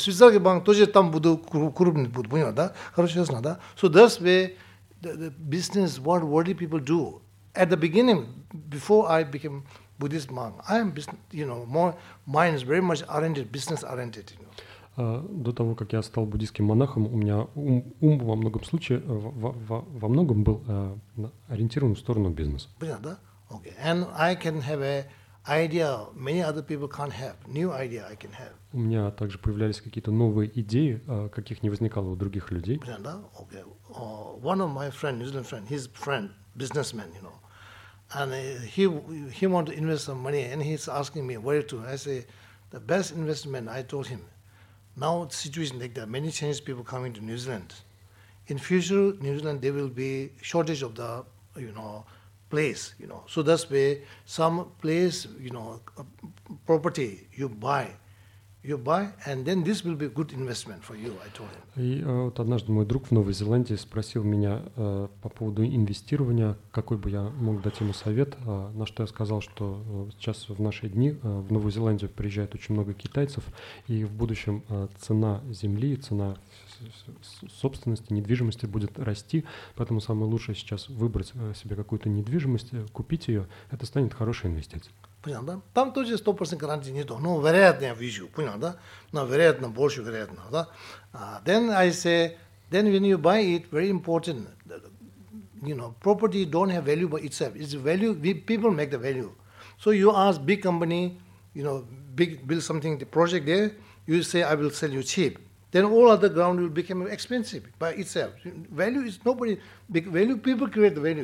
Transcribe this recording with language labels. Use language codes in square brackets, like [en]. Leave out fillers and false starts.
[ru] Швейцарский банк тоже там будет крупный, будет, понимаешь, да? Хорошо, ясно, да? [en] So that's where the business, what worldly people do. At the beginning, before I became Buddhist monk, I am business, you know, more, mine is very much oriented, business oriented. You know. [ru] До того, как я стал буддийским монахом, у меня ум во многом случае, во многом был ориентирован в сторону бизнеса. Понятно, да? Okay. [en] And I can have a idea many other people can't have. New idea I can have. [ru] У меня также появлялись какие-то новые идеи, каких не возникало у других людей. Понятно, да? Okay. [en] One of my friend, New Zealand friend, his friend, businessman, you know. And he wanted to invest some money and he's asking me where to. I say, the best investment, I told him. Now the situation like that, many Chinese people coming to New Zealand. In future, New Zealand, there will be shortage of the, you know, place, you know, so that's where some place, you know, property you buy, and then this will be good investment for you, I told him. [ru] И вот однажды мой друг в Новой Зеландии спросил меня по поводу инвестирования, какой бы я мог дать ему совет, на что я сказал, что сейчас в наши дни в Новую Зеландию приезжает очень много китайцев, и в будущем цена земли, цена собственности, недвижимости будет расти, поэтому самое лучшее сейчас выбрать себе какую-то недвижимость, купить ее, это станет хорошей инвестицией. Понятно, да? Там тоже 100% гарантии нету, но вероятно я вижу, понял, да? Но вероятно, больше вероятно, да? [en] Then I say, then when you buy it, very important, you know, property don't have value by itself. It's value, people make the value. So you ask big company, you know, big, build something, the project there, you say, I will sell you cheap. Then all other ground will become expensive by itself. Value is nobody, big value, people create the value.